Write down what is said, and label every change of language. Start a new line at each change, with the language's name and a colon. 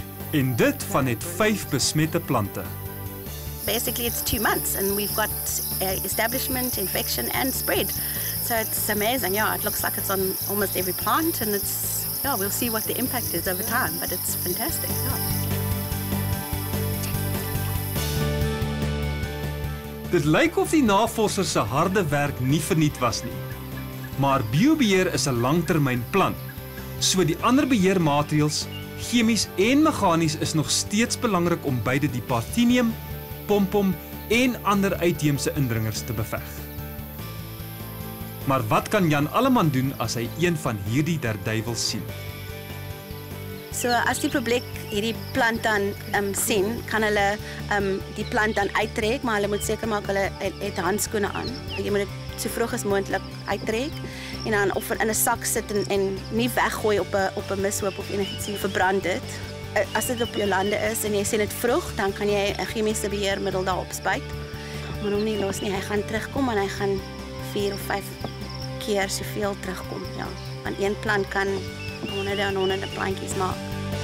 Afrikaans: En dit van net 5 besmette plante.
English: Basically it's 2 months and we've got establishment, infection and spread. So it's amazing. Yeah, it looks like it's on almost every plant and it's, yeah, we'll see what the impact is over time, but it's fantastic. Yeah.
Afrikaans: Dit lyk of die navorsers se harde werk nie verniet was nie. Maar biobeheer is 'n langtermynplan. So die ander beheermaatreëls, chemies en meganies is nog steeds belangrik om beide die parthenium, pompom en ander uitheemse indringers te beveg. Maar wat kan Jan Alleman doen as hy een van hierdie derduivels sien? So as die publiek hierdie plant dan sien, kan hulle die plant dan uittrek, maar hulle moet seker maak hulle het handskoene aan. Jy moet dit so vroeg as moontlik uittrek en dan of in 'n sak sit en nie weggooi op 'n mishoop of enigiets nie, verbrand dit. As dit op jou lande is en jy sien dit vroeg, dan kan jy 'n chemiese beheermiddel daarop spuit. Maar hom nie los nie, hy gaan terugkom en hy gaan 4 of 5 keer soveel terugkom. Ja. Want een plant kan honderde en honderde plantjies maak.